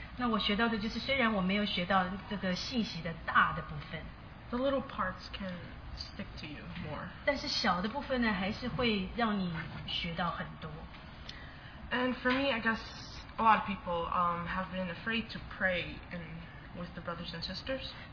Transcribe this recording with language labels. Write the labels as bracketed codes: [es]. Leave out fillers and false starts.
[zh] 那我学到的就是, 虽然我没有学到这个信息的大的部分, [en] the little parts can stick to you more. [zh] 但是小的部分呢, 还是会让你学到很多. [en] And for me, I guess a lot of people have been afraid to pray and with the brothers and sisters.